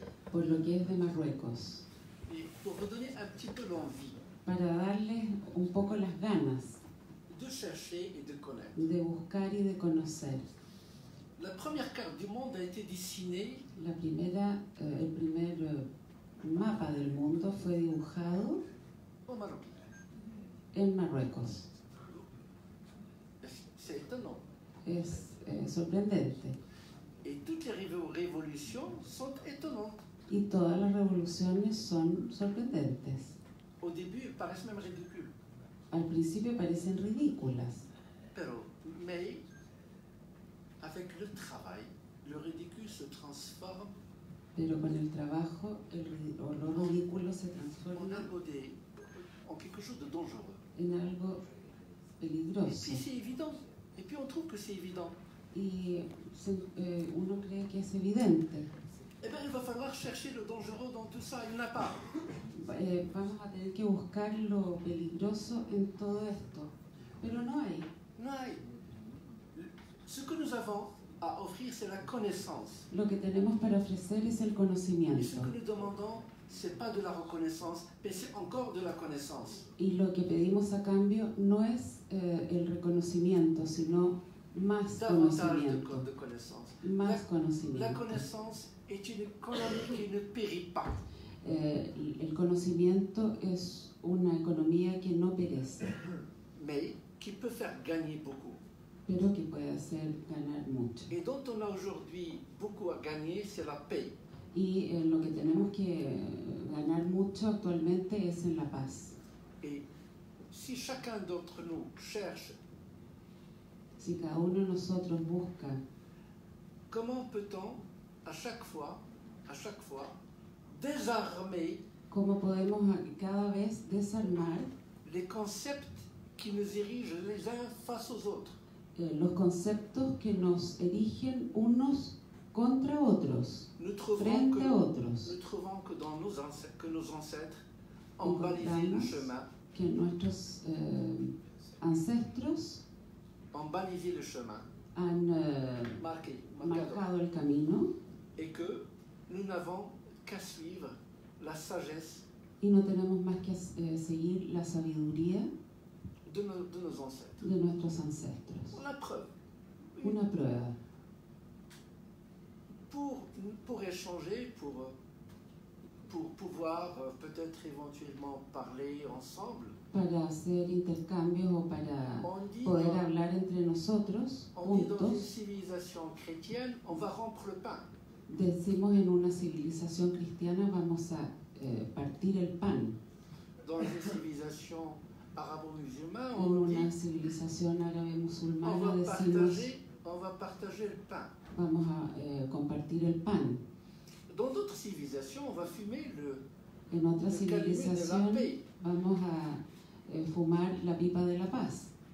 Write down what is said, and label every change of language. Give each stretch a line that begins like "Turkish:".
Spanish: Por lo que es de Marruecos. Por lo que es de Marruecos. Para darle un poco las ganas.
French: De chercher et de connaître.
Spanish: De buscar y de conocer.
French: La première carte du monde a été dessinée.
Spanish: La primera, el primer mapa del mundo fue dibujado en Marruecos.
French: C'est étonnant.
Spanish: Es sorprendente.
French: Et toutes les révolutions sont étonnantes.
Spanish: Y todas las revoluciones son sorprendentes.
French: Au début, elles paraissent même ridicules.
Spanish: Al principio parecen ridículas.
French: Pero, mais, avec le travail, le ridicule se transforme.
Spanish: Pero con el trabajo, lo ridículo se transforma
French: en quelque chose de dangereux.
Spanish: En algo peligroso.
French: Et puis c'est évident. Et puis on trouve que c'est évident.
Spanish: Y uno cree que es evidente.
French: Eh bien, il va falloir chercher le dangereux dans tout ça. Il n'y en a pas.
Spanish: Vamos a tener que buscar lo peligroso en todo esto, pero no hay. No hay.
French: Ce que nous avons à offrir, c'est la connaissance.
Spanish: Lo que tenemos para ofrecer es el conocimiento.
French: Et ce que nous demandons, c'est pas de la reconnaissance, mais c'est encore de la connaissance.
Spanish: Y lo que pedimos a cambio no es el reconocimiento, sino más conocimiento.
French: De connaissance.
Spanish: Más conocimiento.
French: La connaissance est une colonie qui ne périt pas.
Spanish: El conocimiento es una economía que no perece,
French: mais qui peut faire gagner beaucoup.
Spanish: Pero que puede hacer ganar mucho.
French: Et dont on a aujourd'hui beaucoup à gagner, c'est la paix.
Spanish: Y lo que tenemos que ganar mucho actualmente es en la paz.
French: Et si chacun d'entre nous cherche,
Spanish: si cada uno de nosotros busca,
French: comment peut-on à chaque fois désarmer,
Spanish: comment podemos cada vez desarmar,
French: les concepts qui nous érigent les uns face aux autres,
Spanish: los conceptos que nos erigen unos
French: contre otros, nous trouvons que, otros. Nous trouvons que dans nos ancêtres, ont balisé le chemin.
Spanish: Que nuestros ancestros
French: ont balisé le chemin.
Spanish: Han marcado el camino.
French: Et que nous n'avons qu'à suivre la sagesse.
Spanish: Y no tenemos más que seguir la sabiduría
French: de, nos ancêtres.
Spanish: De nuestros ancestros. Una prueba. Una prueba.
French: Pour échanger, pour pouvoir peut-être éventuellement parler ensemble.
Spanish: Para hacer intercambios o para poder hablar entre nosotros juntos.
French: On dit dans une civilisation chrétienne, on va rompre le pain.
Spanish: Decimos en una civilización cristiana, vamos a partir el pan.
French: Dans une civilisation arabo-musulmane,
Spanish: en una civilización árabe-musulmana, decimos,
French: on va partager le pain.
Spanish: Vamos a compartir el pan.
French: Dans d'autres civilisations, on va fumer le.
Spanish: En otra civilización, vamos a fumar la pipa de la paz.